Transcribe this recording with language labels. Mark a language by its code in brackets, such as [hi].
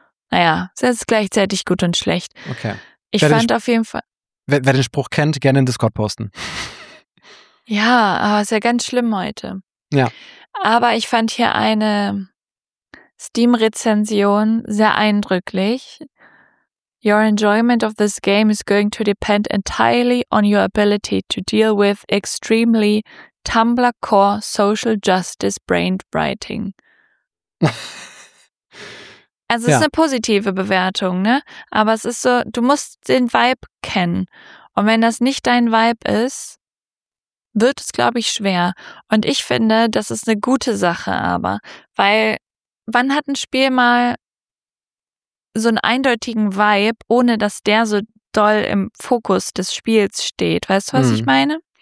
[de] Naja, es ist gleichzeitig gut und schlecht. Okay. Ich fand auf jeden Fall. Wer den Spruch kennt, gerne in Discord posten. Ja, aber ist ja ganz schlimm heute. Ja. Aber ich fand hier eine Steam-Rezension sehr eindrücklich. [en] Your enjoyment of this game is going to depend entirely on your ability to deal with extremely Tumblr-core social justice brained writing. [de] Also es ist eine positive Bewertung, ne? Aber es ist so, du musst den Vibe kennen. Und wenn das nicht dein Vibe ist, wird es, glaube ich, schwer. Und ich finde, das ist eine gute Sache aber. Weil wann hat ein Spiel mal so einen eindeutigen Vibe, ohne dass der so doll im Fokus des Spiels steht? Weißt du, was ich meine?